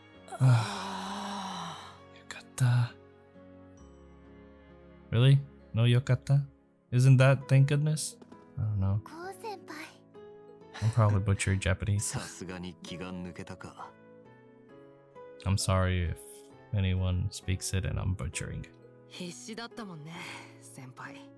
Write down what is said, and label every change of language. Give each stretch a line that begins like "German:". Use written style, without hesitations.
Japanese: よかった。
English: Really? No yokatta? Isn't that thank goodness? I don't know. Kou-senpai. I'm probably butchering Japanese.
Japanese: さすがに気が抜けたか?
English: I'm sorry if anyone speaks it and I'm butchering.
Japanese: 必死だったもんね、先輩。